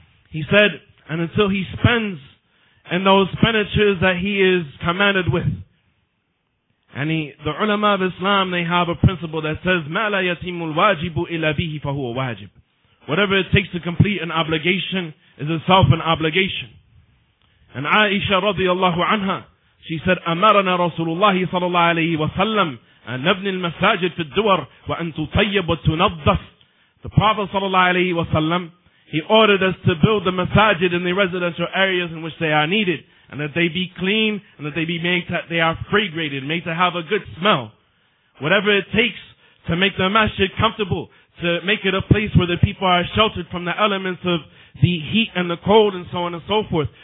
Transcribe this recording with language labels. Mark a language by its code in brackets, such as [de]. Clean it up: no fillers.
[en] He said, and until he spends in those expenditures that he is commanded with. And the ulama of Islam, they have a principle that says, [ar] مَا لَا يَتِمُّ الْوَاجِبُ إِلَّا بِهِ فَهُوَ وَاجِبُ. [en] Whatever it takes to complete an obligation is itself an obligation. And Aisha radiallahu anha, she said, [ar] أَمَرَنَا رَسُولُ اللَّهِ صَلَى اللَّهِ عَلَيْهِ وَسَلَّمُ أَنْ نَبْنِي الْمَسَاجِدِ فِي الدُّوَرِ وَأَنْ تُطَيَّبُ وَتُنَظَّفُ. [en] The Prophet صلى الله عليه وسلم, he ordered us to build the masajid in the residential areas in which they are needed. And that they be clean, and that they be made to, they are fragranted, made to have a good smell. Whatever it takes to make the masjid comfortable, to make it a place where the people are sheltered from the elements of the heat and the cold and so on and so forth.